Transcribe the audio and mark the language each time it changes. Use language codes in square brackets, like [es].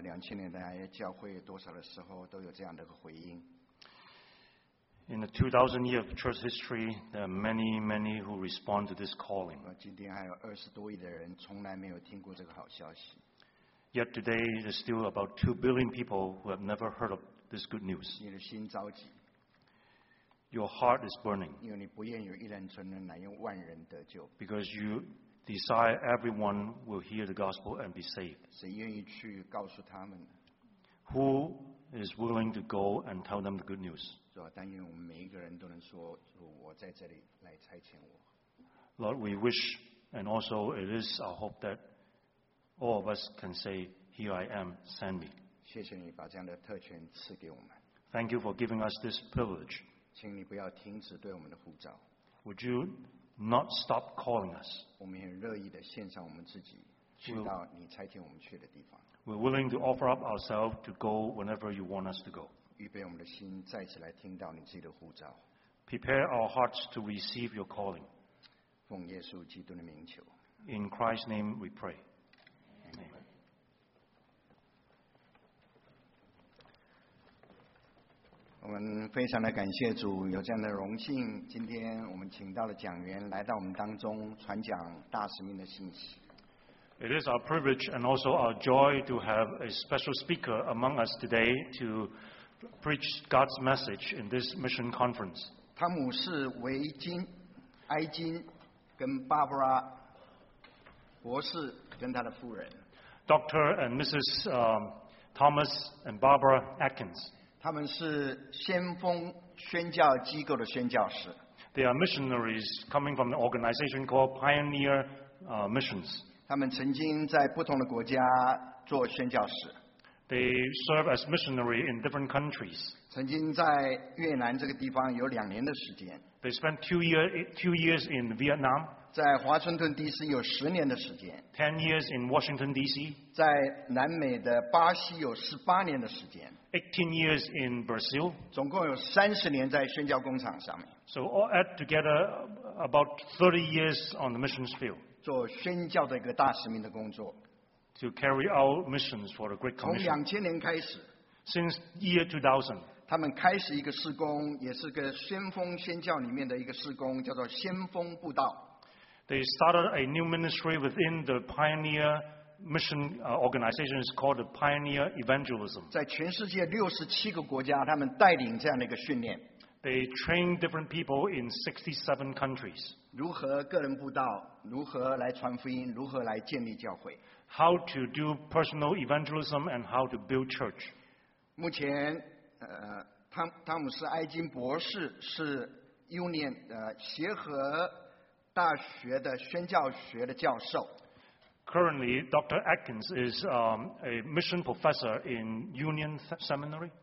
[zh] 2000年代 教会多少的时候都有这样的一个回应。 [en] In the 2000 years of church history, there are many, many who respond to this calling. [zh] 今天还有20多亿的人从来没有听过这个好消息。 [en] Yet today, there's still about 2 billion people who have never heard of this good news. [zh] 你的心着急。 [en] Your heart is burning. [zh] 因为你不愿有一人存人，乃愿万人得救。 [en] Because you desire everyone will hear the gospel and be saved. [zh] 谁愿意去告诉他们？ [en] Who is willing to go and tell them the good news? [zh] 主啊，但愿我们每一个人都能说，主，我在这里，来差遣我。 [en] Lord, we wish, and also it is our hope that all of us can say, Here I am, send me. [zh] 谢谢你把这样的特权赐给我们。 [en] Thank you for giving us this privilege. [zh] 请你不要停止对我们的呼召。 [en] Would you not stop calling us. [zh] 我们很乐意地献上我们自己，去到你差遣我们去的地方。 [en] We're willing to offer up ourselves to go whenever you want us to go. [zh] 预备我们的心，再次来听到你自己的呼召。 [en] Prepare our hearts to receive your calling. [zh] 奉耶稣基督的名求。 [en] In Christ's name we pray. Amen. [zh] 我们非常的感谢主，有这样的荣幸，今天我们请到了讲员来到我们当中传讲大使命的信息。 [en] It is our privilege and also our joy to have a special speaker among us today to preach God's message in this mission conference. [zh] 汤姆士维金、埃金跟 Barbara 博士跟他的夫人 [en] ，Dr. and Mrs. Thomas and Barbara Atkins。 [zh] 他们是先锋宣教机构的宣教士。 [en] They are missionaries coming from an organization called Pioneer Missions. [zh] 他们曾经在不同的国家做宣教士。 [en] They serve as missionary in different countries. [zh] 曾经在越南这个地方有2年的时间。 [en] They spent two years in Vietnam. [zh] 在华盛顿 D.C. 有10年的时间。 [en] 10 years in Washington D.C. [zh] 在南美的巴西有18年的时间。 [en] 18 years in Brazil. [zh] 总共有30年在宣教工厂上面。 [en] So all add together about 30 years on the missions field. [zh] 做宣教的一个大使命的工作。 [en] To carry out missions for the Great Commission. [zh] 从2000年开始。 [en] Since year 2000. [zh] 他们开始一个事工，也是个先锋宣教里面的一个事工，叫做先锋布道。 [en] They started a new ministry within the Pioneer Mission Organization, is called the Pioneer Evangelism. [zh] 在全世界67个国家，他们带领这样的一个训练。 [en] They train different people in 67 countries. [zh] 如何个人布道，如何来传福音，如何来建立教会。 [en] How to do personal evangelism and how to build church. [zh] 目前，汤姆斯·埃金博士是 Union 协和大学的宣教学的教授。 [en] Currently, Dr. Atkins is a mission professor in Union Seminary.